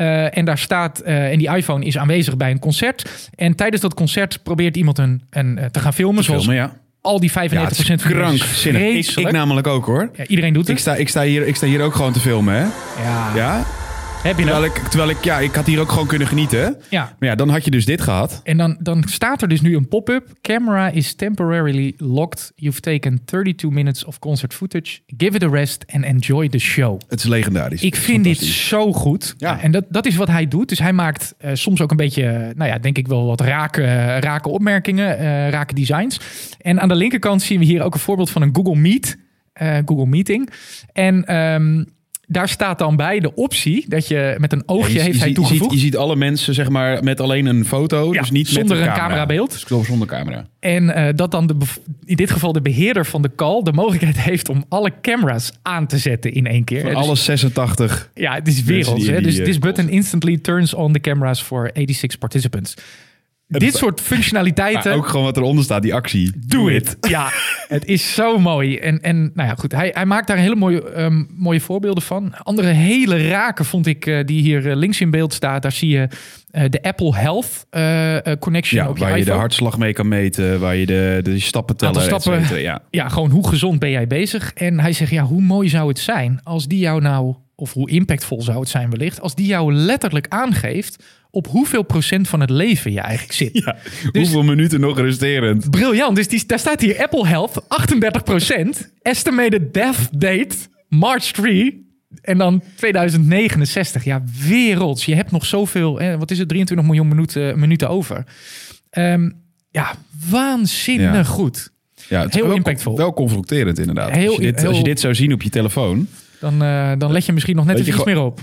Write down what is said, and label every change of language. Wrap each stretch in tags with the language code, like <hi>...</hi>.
<nl>En daar staat, en die iPhone is aanwezig bij een concert. En tijdens dat concert probeert iemand te gaan filmen. Al die 95% ja, krank zin. Ik namelijk ook hoor. Ja, iedereen doet het. Ik sta hier ook gewoon te filmen. Hè? Ja. Ja. Heb je ik had hier ook gewoon kunnen genieten. Ja. Maar ja, dan had je dus dit gehad. En dan staat er dus nu een pop-up.</nl> <en>Camera is temporarily locked. You've taken 32 minutes of concert footage. Give it a rest and enjoy the show.</en> <nl>Het is legendarisch. Ik vind dit zo goed. Ja. En dat is wat hij doet. Dus hij maakt soms ook een beetje, nou ja, denk ik wel wat rake opmerkingen, rake designs. En aan de linkerkant zien we hier ook een voorbeeld van een Google Meet. Google Meeting. En... daar staat dan bij de optie dat je met een oogje heeft hij toegevoegd. Je ziet alle mensen zeg maar met alleen een foto, ja, dus niet zonder met een camera. Camerabeeld. Dus ik geloof zonder camera. En dat dan in dit geval de beheerder van de call de mogelijkheid heeft om alle camera's aan te zetten in één keer. Van alle 86. Ja, het is werelds. Dus</nl> <en>this button instantly turns on the cameras for 86 participants.</en> <nl>Dit soort functionaliteiten. Maar ook gewoon wat eronder staat, die actie.</nl> <en>Do it.</en> <nl>Ja, het is zo mooi. En nou ja, goed. Hij maakt daar hele mooie voorbeelden van. Andere hele raken vond ik die hier links in beeld staat. Daar zie je de Apple Health Connection. Ja, op je waar iPhone. Je de hartslag mee kan meten. Waar je de stappen tellen. Aantal stappen. Ja. Ja, gewoon hoe gezond ben jij bezig? En hij zegt, ja, hoe mooi zou het zijn als die jou nou... Of hoe impactvol zou het zijn wellicht. Als die jou letterlijk aangeeft... op hoeveel procent van het leven je eigenlijk zit. Ja, dus, hoeveel minuten nog resterend. Briljant. Dus daar staat hier Apple Health, 38%.</nl> <en>Estimated death date, March 3.</en> <nl>En dan 2069. Ja, werelds. Je hebt nog zoveel. Wat is het? 23 miljoen minuten over. Ja, waanzinnig goed. Ja, het is heel impactvol. Wel confronterend inderdaad. Als je dit zou zien op je telefoon... Dan let je misschien nog net even iets meer op.</nl>